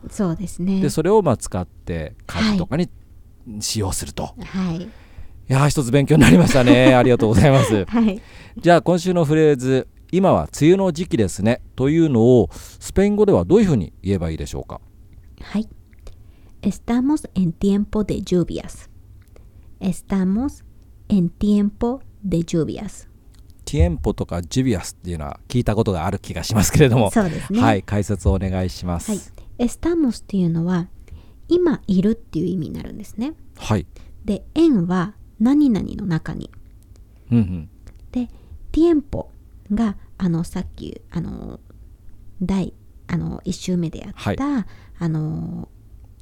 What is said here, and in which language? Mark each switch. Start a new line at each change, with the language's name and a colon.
Japanese: そうですね、でそれをまあ使って家事とかに、はい、使用すると、はい、いや一つ勉強になりましたねありがとうございます、はい、じゃあ今週のフレーズ、今は梅雨の時期ですねというのをスペイン語ではどういうふうに言えばいいでしょうか？
Spanish: はい、 Estamos en tiempo de lluvias. Estamos en tiempo de lluvias.
Japanese: Tiempo とか lluvias っていうのは聞いたことがある気がしますけれども。そうですね、はい、解説をお願いします。はい、 Estamos っていうのは今いるっていう意味になるんですね。はい、で円は何々の中に、でティエンポがさっき第1週目でやった、はい、